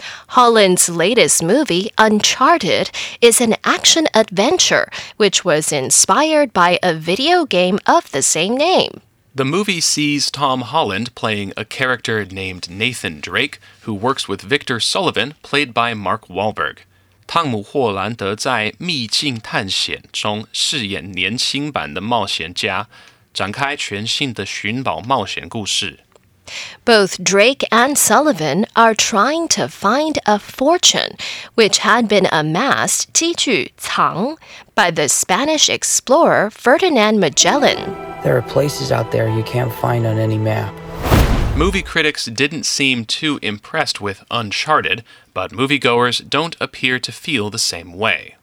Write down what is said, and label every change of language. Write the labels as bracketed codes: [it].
[en] Holland's latest movie, Uncharted, is an action-adventure, which was inspired by a video game of the same name. The movie sees Tom Holland playing a character named Nathan Drake, who works with Victor Sullivan, played by Mark Wahlberg. [zh] 汤姆·霍兰德在《秘境探险》中饰演年轻版的冒险家，展开全新的寻宝冒险故事。 [en] Both Drake and Sullivan are trying to find a fortune, which had been amassed, [zh] 记住藏, [en] by the Spanish explorer Ferdinand Magellan. There are places out there you can't find on any map. Movie critics didn't seem too impressed with Uncharted, but moviegoers don't appear to feel the same way.